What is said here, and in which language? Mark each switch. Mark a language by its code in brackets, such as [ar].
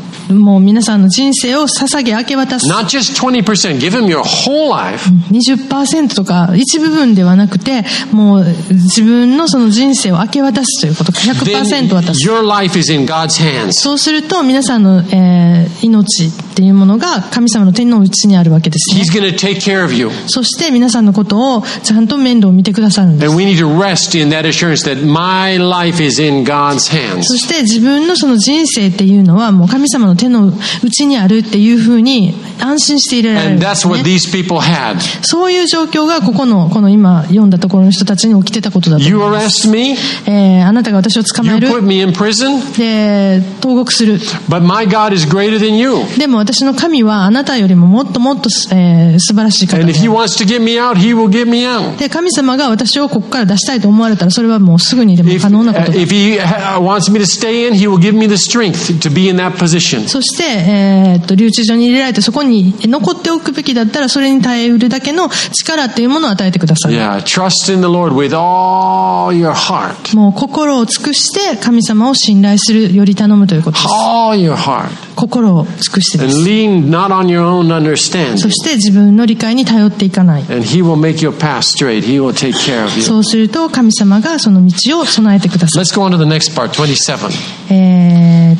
[ja] もう皆さんの人生を捧げ明け渡す。 [en] Not just 20%, give him your whole life. [ja] 20% とか一部分ではなくて、もう自分のその人生を明け渡すということ、100% 渡す。 [en] Then your life is in God's hands. [ja] そうすると皆さんの、命っていうものが神様の手の内にあるわけですね。 [en] He's going to take care of you. [ja] そして皆さんのことをちゃんと面倒を見てくださるんです。 [en] And we need to rest in that assurance that my life is in God's hands. [ja] そして自分のその人生っていうのはもう神様の手の内にあるっていうふうに安心していられるんですね。そういう状況がここのこの今読んだところの人たちに起きてたことだと思います。 [en] You arrest me. [ja] あなたが私を捕まえる。 [en] You put me in prison. [ja] で投獄する。 [en] But my God is greater than you. [ja] でも私の神はあなたよりももっともっと、素晴らしい方。 [en] And if he wants to get me out, he will get me out. [ja] で神様が私をここから出したいと思われたら、それはもうすぐにでも可能なこと。 [en] If he wants me to stay in, he will give me the strength to be in that position. [ja] そして、留置所に入れられてそこに残っておくべきだったらそれに耐えうるだけの力というものを与えてください。 [en] Yeah, trust in the Lord with all your heart. [ja] もう心を尽くして神様を信頼するより頼むということです。 [en] All your heart. [ja] 心を尽くしてです。 [en] And lean not on your own understanding. [ja] そして自分の理解に頼っていかない。 [en] And he will make your path straight. He will take care of you. [ja] そうすると神様がその道を備えてください。 [en] Let's go on to the next part, 27.